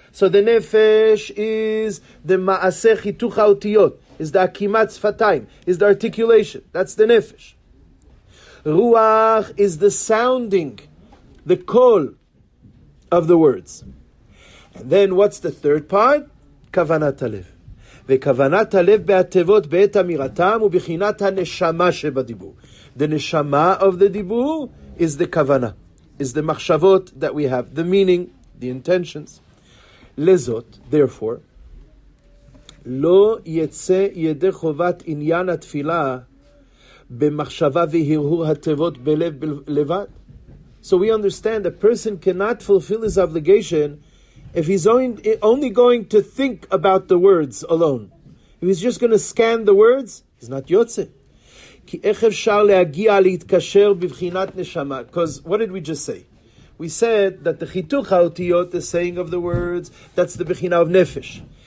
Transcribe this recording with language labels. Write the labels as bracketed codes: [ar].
[en] So the nefesh is the [he] ma'aseh chituch ha'otiyot, [en] is the [he] akimat sfatayim, [en] is the articulation. That's the nefesh. Ruach is the sounding, the call of the words. And then what's the third part? [he] Kavanat alev. וכוונת הלב בהתיבות בעת אמירתם ובחינת הנשמה שבדיבור. [en] The neshama of the dibur is the kavana, is the מחשבות that we have, the meaning, the intentions. [he] לזאת, [en] therefore, [he] לא יצא ידי חובת עניין התפילה במחשבה והרהור התיבות בלב לבד. [en] So we understand a person cannot fulfill his obligation if he's only going to think about the words alone. If he's just going to scan the words, he's not yotze. [he] Ki ech efshar le'agia le'itkasher b'vchinat neshama. [en] Because what did we just say? We said that the chituch ha'otiyot, the saying of the words, that's the b'china of nefesh.